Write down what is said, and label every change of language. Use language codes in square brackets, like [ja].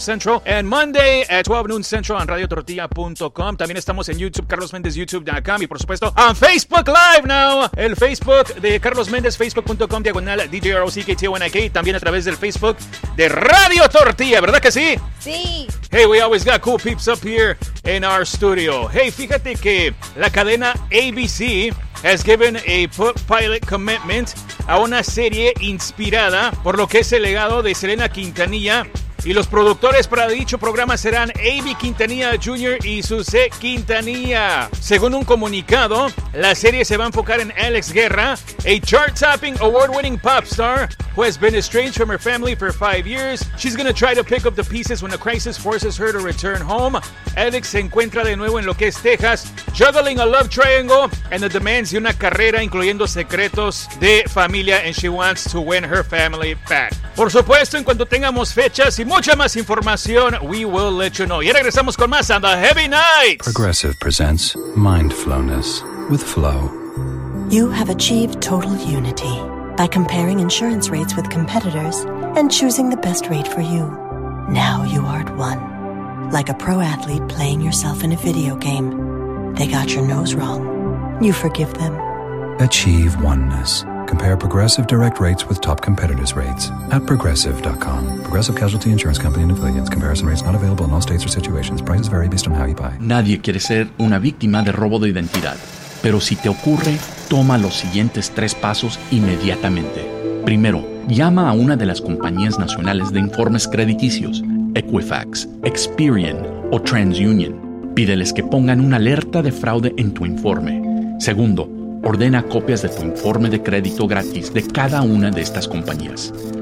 [en] Central and Monday at 12 noon central [es] en RadioTortilla.com, también estamos en YouTube, CarlosMéndezYouTube.com y por supuesto [en] on Facebook Live Now, [es] el Facebook de Carlos Méndez, Facebook.com/DJROCKTONIK, también a través del Facebook de Radio Tortilla, ¿verdad que sí? Sí. [en] Hey, we always got cool peeps up here in our studio. [es] Hey, fíjate que la cadena ABC [en] has given a put pilot commitment [es] a una serie inspirada por lo que es el legado de Selena Quintanilla. Y los productores para dicho programa serán Amy Quintanilla Jr. y Susé Quintanilla. Según un comunicado, la serie se va a enfocar en Alex Guerra, [en] a chart-topping, award-winning pop star who has been estranged from her family for 5 years. She's gonna try to pick up the pieces when a crisis forces her to return home. [es] Alex se encuentra de nuevo en lo que es Texas, [en] juggling a love triangle and the demands [es] de una carrera, incluyendo secretos de familia, [en] and she wants to win her family back. [es] Por supuesto, en cuanto tengamos fechas y mucha más información, [en] we will let you know. [es] Y regresamos con más on The Heavy Nights. [en] Progressive presents Mindflowness with Flow. You have achieved total unity by comparing insurance rates with competitors and choosing the best rate for you. Now you are at one. Like a pro athlete playing yourself in a video game. They got your nose wrong. You forgive them. Achieve oneness. Compare Progressive direct rates with top competitors' rates at progressive.com. Progressive Casualty Insurance Company and Affiliates. Comparison rates not available in all states or situations. Prices vary based on how you buy. [es] Nadie quiere ser una víctima de robo de identidad. Pero si te ocurre, toma los siguientes tres pasos inmediatamente. Primero, llama a una de las compañías nacionales de informes crediticios, Equifax, Experian o TransUnion. Pídeles que pongan una alerta de fraude en tu informe. Segundo, ordena copias de tu informe de crédito gratis de cada una de estas compañías.